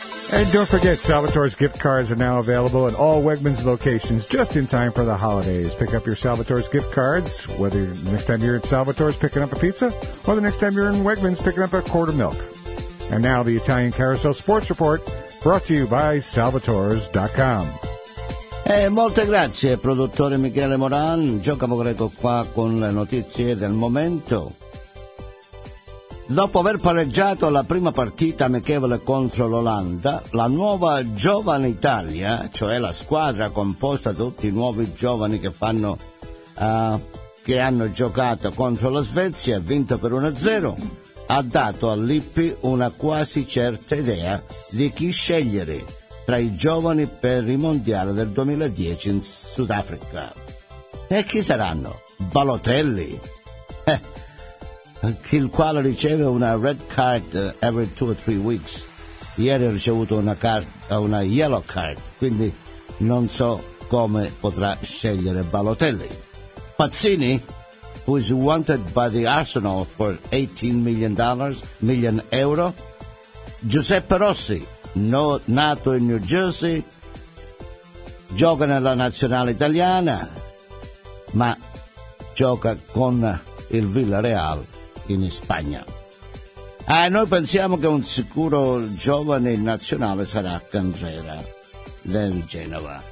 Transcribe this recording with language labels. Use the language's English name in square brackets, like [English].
[English] And don't forget, Salvatore's gift cards are now available at all Wegmans locations just in time for the holidays. Pick up your Salvatore's gift cards, whether the next time you're at Salvatore's picking up a pizza, or the next time you're in Wegmans picking up a quart of milk. And now the Italian Carousel Sports Report, brought to you by Salvatore's.com. [Italian] Molte grazie, produttore Michele Moran. Giocavo greco qua con le notizie del momento. Dopo aver pareggiato la prima partita amichevole contro l'Olanda, la nuova Giovane Italia, cioè la squadra composta da tutti i nuovi giovani che hanno giocato contro la Svezia, ha vinto per 1-0, ha dato a Lippi una quasi certa idea di chi scegliere tra i giovani per il Mondiale del 2010 in Sudafrica. E chi saranno? Balotelli? Il quale riceve una [English] red card every two or three weeks. [Italian] Ieri ha ricevuto una yellow card, quindi non so come potrà scegliere Balotelli. [English] Pazzini, who is wanted by the Arsenal for $18 million. [Italian] Giuseppe Rossi, nato in New Jersey, gioca nella nazionale italiana, ma gioca con il Villarreal in Spagna. Noi pensiamo che un sicuro giovane nazionale sarà Candreva del Genova.